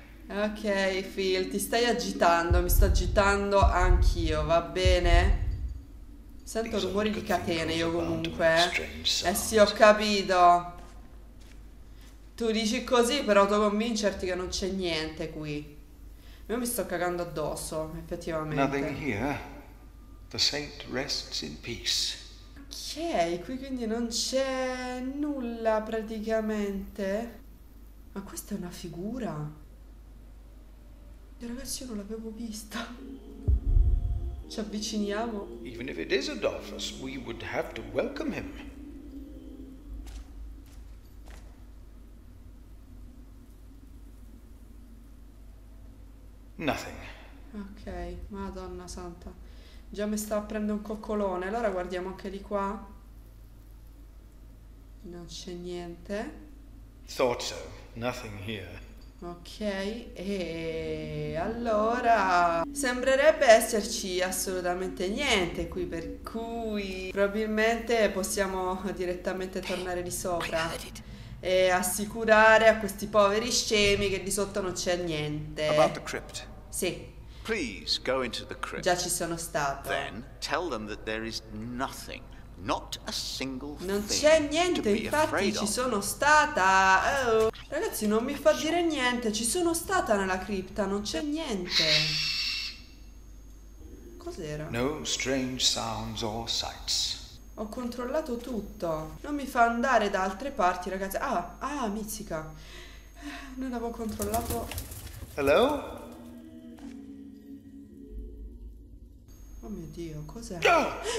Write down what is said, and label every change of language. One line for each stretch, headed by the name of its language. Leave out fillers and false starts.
Italian: Ok, Phil, ti stai agitando, mi sto agitando anch'io, va bene? Sento rumori di catene io comunque. Sì, ho capito. Tu dici così per autoconvincerti che non c'è niente qui. Io mi sto cagando addosso, effettivamente.
English: Nothing here. The saint rests in peace.
Italian: Ok, qui quindi non c'è nulla praticamente. Ma questa è una figura? Ragazzi, io non l'avevo vista. Ci avviciniamo.
English: Even if it is Adolphus, we would have to welcome him. Nothing.
Italian: Ok, Madonna santa. Già mi sta aprendo un coccolone. Allora guardiamo anche di qua. Non c'è niente.
English: Thought so. Nothing here.
Italian: Ok, e allora sembrerebbe esserci assolutamente niente qui, per cui probabilmente possiamo direttamente tornare di sopra e assicurare a questi poveri scemi che di sotto non c'è niente.
English: About the crypt.
Italian: Sì.
English: Please go into the crypt.
Italian: Già ci sono stato.
English: Then tell them that there is nothing. Not a single thing.
Italian: Non c'è niente, infatti ci sono stata. Oh. Ragazzi, non mi fa dire niente. Ci sono stata nella cripta, non c'è niente. Cos'era?
English: No strange sounds or sights.
Italian: Ho controllato tutto. Non mi fa andare da altre parti, ragazzi. Ah, mizzica. Non avevo controllato.
English: Hello?
Italian: Oh mio Dio, cos'è?
English: No!